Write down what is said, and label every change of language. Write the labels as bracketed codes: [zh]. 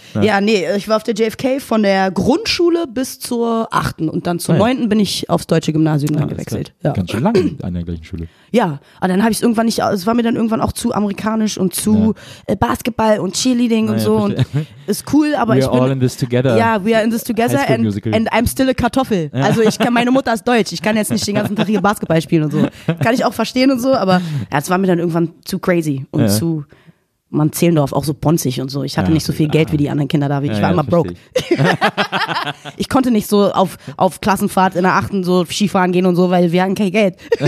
[de] Ja, nee, ich war auf der JFK von der Grundschule bis zur achten und dann zur neunten bin ich aufs deutsche Gymnasium dann gewechselt. Ja. Ganz schön lange an der gleichen Schule. Ja, aber dann habe ich es irgendwann nicht, es war mir dann irgendwann auch zu amerikanisch und zu Basketball und Cheerleading und so und ist cool, aber [en] we [de] ich [en] are [de] bin... [en] We're all in this together. Ja, we are in this together and Musical. And I'm still a Kartoffel. [de] Also ich kann, meine Mutter ist deutsch, ich kann jetzt nicht den ganzen Tag hier Basketball spielen und so. Kann ich auch verstehen und so, aber es war mir dann irgendwann zu crazy und zu man Zehlendorf auch so bonzig und so. Ich hatte nicht so viel Geld wie die anderen Kinder da. Ich war immer broke. Ich konnte nicht so auf Klassenfahrt in der Achten so Skifahren gehen und so, weil wir hatten kein Geld.